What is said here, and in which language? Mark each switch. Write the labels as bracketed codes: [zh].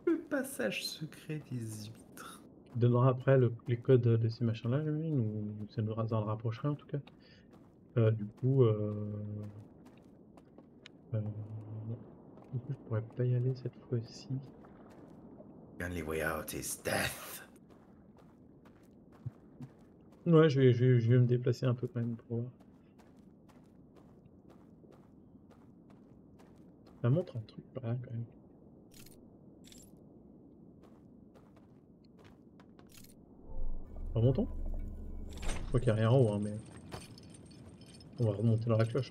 [fr] Passage secret des huîtres. Il donnera après les codes de ces machins là, j'imagine, ou ça nous en rapprochera en tout cas. Du coup, je pourrais pas y aller cette fois-ci. [en] The only way out is death. [fr] Ouais, je vais me déplacer un peu quand même pour voir. Ça montre un truc pas là quand même. Remontons. Je crois qu'il n'y a rien en haut, hein, mais on va remonter dans la cloche.